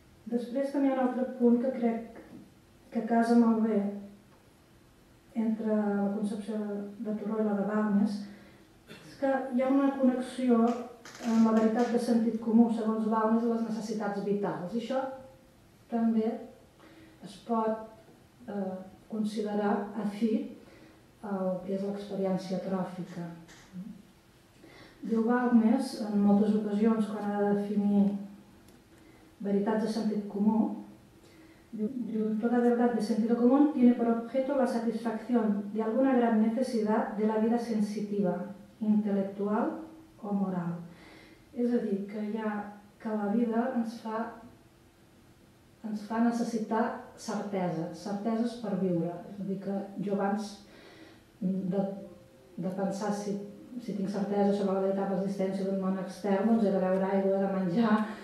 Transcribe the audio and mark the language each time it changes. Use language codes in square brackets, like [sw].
[ca] Després també hi ha un altre punt que crec que casa molt bé entre la concepció de Turró i la de Balmes, és que hi ha una connexió amb la veritat de sentit comú, segons Balmes, i les necessitats vitals. I això també es pot considerar afí el que és l'experiència tròfica. Diu Balmes, en moltes ocasions, quan ha de definir veritats de sentit comú, diu, [es] toda verdad de sentido común tiene por objeto la satisfacción de alguna gran necesidad de la vida sensitiva, intelectual o moral. [ca] És a dir, que la vida ens fa necessitar certeses per viure. És a dir, que jo abans de pensar si tinc certesa sobre la veritat d'existència d'un món extern, doncs he de beure aigua, de menjar.